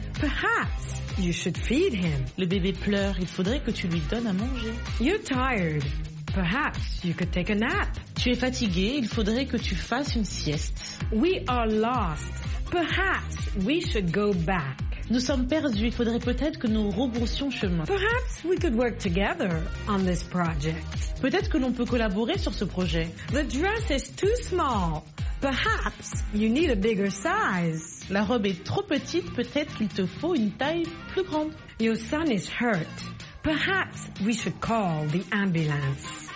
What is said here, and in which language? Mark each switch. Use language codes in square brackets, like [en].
[en] Perhaps you should feed him. [fr] Le bébé pleure, il faudrait que tu lui donnes à manger. [en] You're tired. Perhaps you could take a nap. [fr] Tu es fatigué, il faudrait que tu fasses une sieste. [en] We are lost. Perhaps we should go back. [fr] Nous sommes perdus, il faudrait peut-être que nous rebroussions chemin. [en] Perhaps we could work together on this project. [fr] Peut-être que l'on peut collaborer sur ce projet. [en] The dress is too small. Perhaps you need a bigger size. [fr] La robe est trop petite, peut-être qu'il te faut une taille plus grande. [en] Your son is hurt. Perhaps we should call the ambulance.